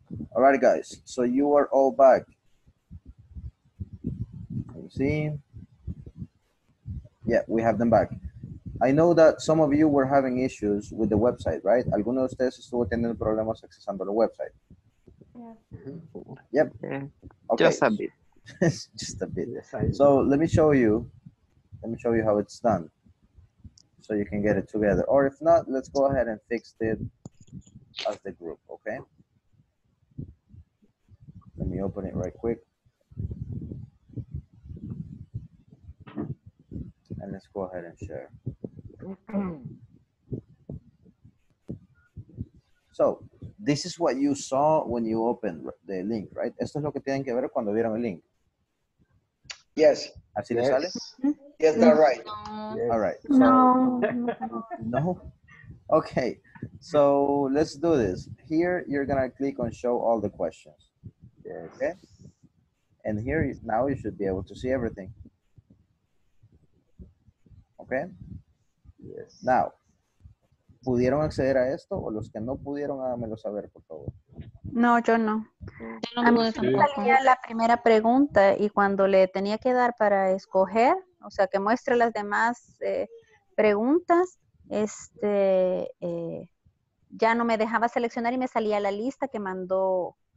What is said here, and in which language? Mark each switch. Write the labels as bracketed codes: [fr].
[en] All right, guys, so you are all back. You see? Yeah, we have them back. I know that some of you were having issues with the website, right? [es] Alguno de ustedes estuvo teniendo problemas accesando la website. [en] Yeah. Yep. Okay. Just a bit. Just a bit. So let me show you. Let me show you how it's done so you can get it together. Or if not, let's go ahead and fix it as the group, okay? Let me open it right quick. And let's go ahead and share. So, this is what you saw when you opened the link, right? [es] Esto es lo que tienen que ver cuando vieron el link. [en] Yes. [es] ¿Así les sale? [en] Yes, that's right. No. All right. So, no. No. Okay. So, let's do this. Here, you're going to click on show all the questions. Yes. Okay, and here now you should be able to see everything. Okay. Yes. [es] Now, ¿pudieron acceder a esto o los que no pudieron háganmelo saber por favor? No, yo no. A mí me salía la primera pregunta y cuando le tenía que dar para escoger, o sea, que muestre las demás preguntas, ya no me dejaba seleccionar y me salía la lista que mandó.